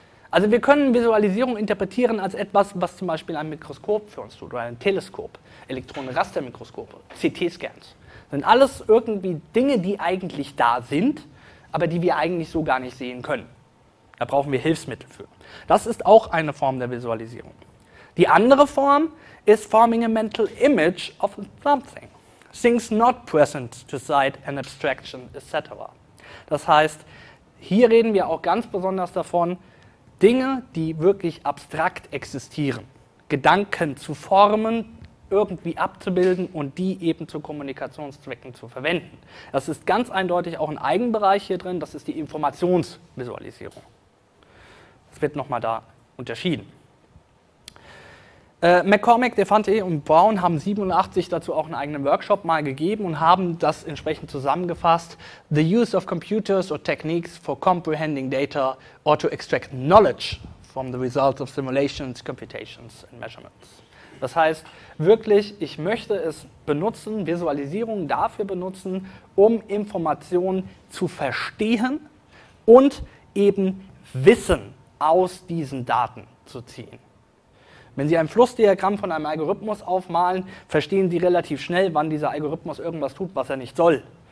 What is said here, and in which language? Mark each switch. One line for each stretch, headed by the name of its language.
German: Also wir können Visualisierung interpretieren als etwas, was zum Beispiel ein Mikroskop für uns tut oder ein Teleskop, Elektronenrastermikroskope, CT-Scans. Sind alles irgendwie Dinge, die eigentlich da sind, aber die wir eigentlich so gar nicht sehen können. Da brauchen wir Hilfsmittel für. Das ist auch eine Form der Visualisierung. Die andere Form ist
English: forming a mental image of something. Things not present to sight, an abstraction, etc.
German: Das heißt, hier reden wir auch ganz besonders davon, Dinge, die wirklich abstrakt existieren, Gedanken zu formen, irgendwie abzubilden und die eben zu Kommunikationszwecken zu verwenden. Das ist ganz eindeutig auch ein Eigenbereich hier drin, das ist die Informationsvisualisierung. Das wird nochmal da unterschieden. McCormick, Defante und Brown haben 87 dazu auch einen eigenen Workshop mal gegeben und haben das entsprechend zusammengefasst.
English: The use of computers or techniques for comprehending data or to extract knowledge from the results of simulations, computations and measurements.
German: Das heißt, wirklich, ich möchte es benutzen, Visualisierung dafür benutzen, um Informationen zu verstehen und eben Wissen aus diesen Daten zu ziehen. Wenn Sie ein Flussdiagramm von einem Algorithmus aufmalen, verstehen Sie relativ schnell, wann dieser Algorithmus irgendwas tut, was er nicht soll.